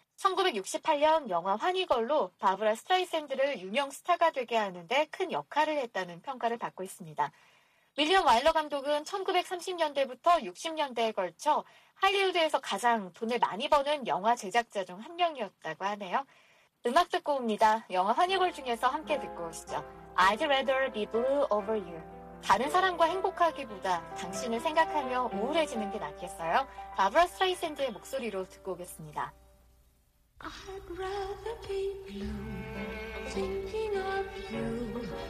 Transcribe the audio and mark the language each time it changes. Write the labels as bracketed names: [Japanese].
[Korean] 1968년 영화 환희걸로 바브라 스트라이샌드를 유명 스타가 되게 하는데 큰 역할을 했다는 평가를 받고 있습니다. 윌리엄 와일러 감독은 1930년대부터 60년대에 걸쳐 할리우드에서 가장 돈을 많이 버는 영화 제작자 중 한 명이었다고 하네요. 음악 듣고 옵니다. 영화 환희걸 중에서 함께 듣고 오시죠. [English] I'd rather be blue over you. [Korean] 다른 사람과 행복하기보다 당신을 생각하며 우울해지는 게 낫겠어요? 바브라 스트라이샌드의 목소리로 듣고 오겠습니다. [English] I'd rather be blue, thinking of you.